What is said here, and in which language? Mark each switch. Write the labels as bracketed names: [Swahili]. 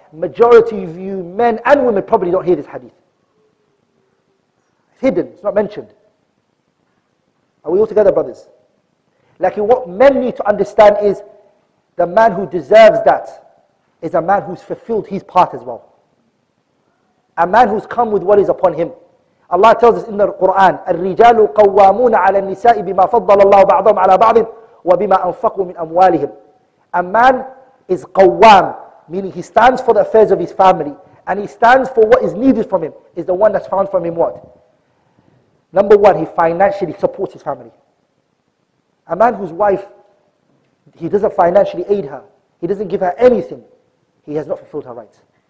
[English] Majority of you men and women probably don't hear this hadith. It's hidden, it's not mentioned. Are we all together, brothers? Like, what men need to understand is the man who deserves that is a man who's fulfilled his part as well. A man who's come with what is upon him. Allah tells us in the Quran, [Arabic] الرجال قوامون على النساء بما فضل الله بعضهم على بعض وبما أنفقوا من أموالهم. [English] A man is قوام, meaning he stands for the affairs of his family and he stands for what is needed from him. Is the one that's found from him what? Number one, he financially supports his family. A man whose wife, he doesn't financially aid her, he doesn't give her anything, he has not fulfilled her rights.